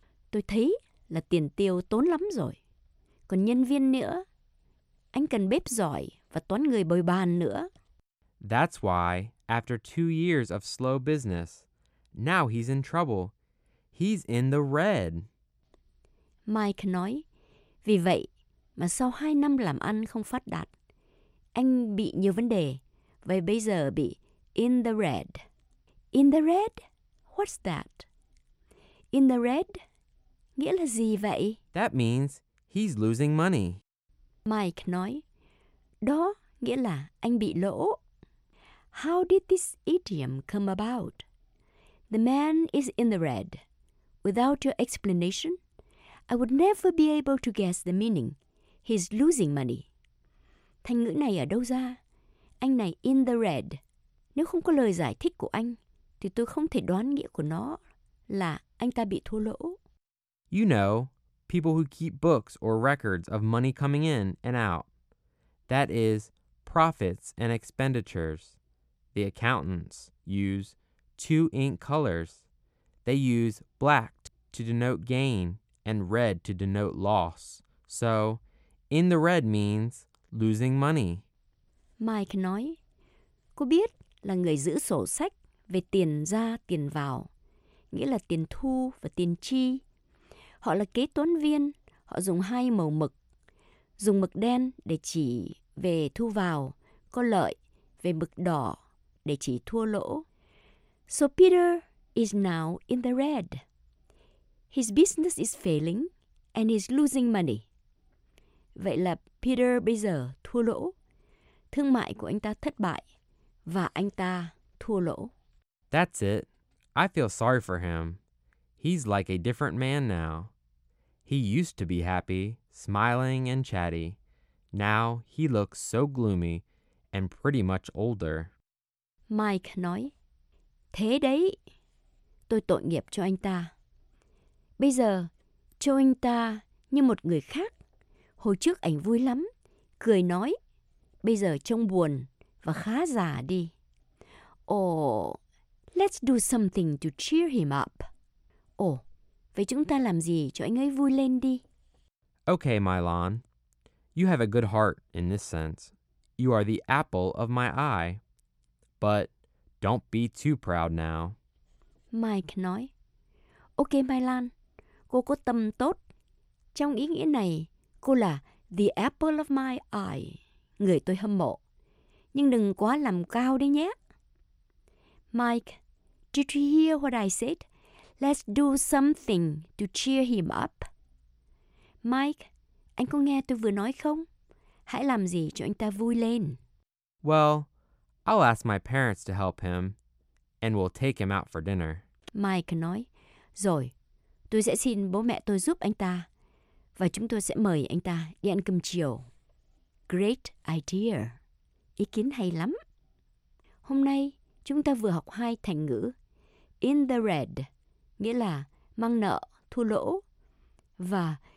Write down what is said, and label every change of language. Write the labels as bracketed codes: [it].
[vi] Tôi thấy là tiền tiêu tốn lắm rồi. Còn nhân viên nữa. Anh cần bếp giỏi và toán người bồi bàn nữa. [en] That's why, after 2 years of slow business, now he's in trouble. He's in the red. [vi] Mike nói, vì vậy mà sau 2 năm làm ăn không phát đạt, anh bị nhiều vấn đề, và bây giờ bị in the red. [en] In the red? What's that? In the red? [vi] Nghĩa là gì vậy? [en] That means he's losing money. [vi] Mike nói, đó nghĩa là anh bị lỗ. [en] How did this idiom come about? The man is in the red. Without your explanation, I would never be able to guess the meaning. He's losing money. [vi] Thành ngữ này ở đâu ra? Anh này in the red. Nếu không có lời giải thích của anh, thì tôi không thể đoán nghĩa của nó là anh ta bị thua lỗ. [en] You know, people who keep books or records of money coming in and out. That is, profits and expenditures. The accountants use 2 ink colors. They use black to denote gain and red to denote loss. So, in the red means losing money. [vi] Mike nói, cô biết là người giữ sổ sách về tiền ra tiền vào, nghĩa là tiền thu và tiền chi. Họ là kế toán viên, họ dùng 2 màu mực. Dùng mực đen để chỉ về thu vào, có lợi, về mực đỏ để chỉ thua lỗ. [en] So Peter is now in the red. His business is failing and he's losing money. [vi] Vậy là Peter bây giờ thua lỗ. Thương mại của anh ta thất bại và anh ta thua lỗ. [en] That's it. I feel sorry for him. He's like a different man now. He used to be happy, smiling and chatty. Now he looks so gloomy and pretty much older. [vi] Mike nói, thế đấy, tôi tội nghiệp cho anh ta. Bây giờ, cho anh ta như một người khác. Hồi trước anh vui lắm, cười nói, bây giờ trông buồn và khá già đi. [en] Oh, let's do something to cheer him up. [vi] Oh, vậy chúng ta làm gì cho anh ấy vui lên đi? [en] Okay, Milan. You have a good heart in this sense. You are the apple of my eye. But don't be too proud now. [vi] Mike nói, okay, Milan, cô có tâm tốt. Trong ý nghĩa này, cô là the apple of my eye. Người tôi hâm mộ. Nhưng đừng quá làm cao đấy nhé. [en] Mike, did you hear what I said? Let's do something to cheer him up. [vi] Mike, anh có nghe tôi vừa nói không? Hãy làm gì cho anh ta vui lên. [en] Well, I'll ask my parents to help him and we'll take him out for dinner. [vi] Mike nói, rồi, tôi sẽ xin bố mẹ tôi giúp anh ta và chúng tôi sẽ mời anh ta đi ăn cơm chiều. [en] Great idea. [vi] Ý kiến hay lắm. Hôm nay, chúng ta vừa học 2 thành ngữ. In the red, nghĩa là mang nợ, thua lỗ. Và